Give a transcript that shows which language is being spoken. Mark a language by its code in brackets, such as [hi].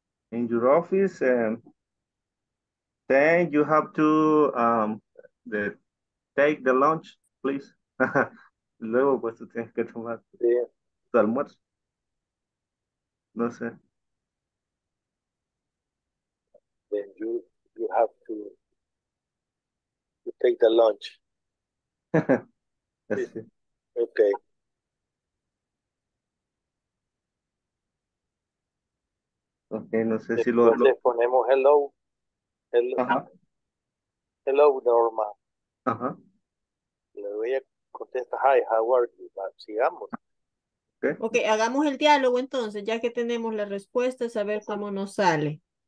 [en] In your office, then you have to take the lunch, please. [es] Luego, pues, tú tienes que tomar tu almuerzo. No sé. [en] Then you have to take the lunch. Okay. [es] Okay, no sé si le ponemos [en] hello. Hello, hello Norma. Ajá. [es] Le voy a contestar, [en] hi, how are you? [es] Sigamos. Okay, hagamos el diálogo entonces, ya que tenemos la respuesta, a ver cómo nos sale.